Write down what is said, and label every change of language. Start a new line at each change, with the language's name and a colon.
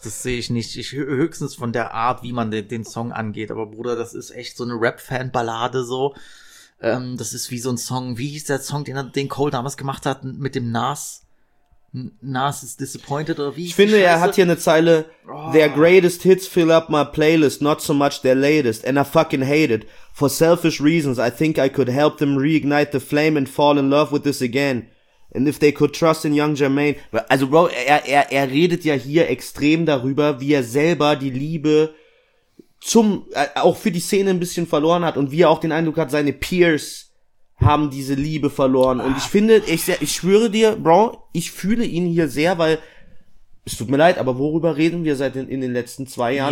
German: Das sehe ich nicht. Ich höchstens von der Art, wie man den Song angeht. Aber Bruder, das ist echt so eine Rap-Fan-Ballade so. Das ist wie so ein Song, wie hieß der Song, den Cole damals gemacht hat mit dem Nas? Nas is disappointed oder wie? Ich finde, er hat hier eine Zeile. Oh.
English: Their greatest hits fill up my playlist, not so much their latest. And I fucking hate it. For selfish reasons, I think I could help them reignite the flame and fall in love with this again. And if they could trust in Young Jermaine.
German: Also Bro, er redet ja hier extrem darüber, wie er selber die Liebe auch für die Szene ein bisschen verloren hat und wie er auch den Eindruck hat, seine Peers haben diese Liebe verloren. Und ich finde, ich schwöre dir, Bro, ich fühle ihn hier sehr, weil es tut mir leid, aber worüber reden wir seit in den letzten 2 Jahren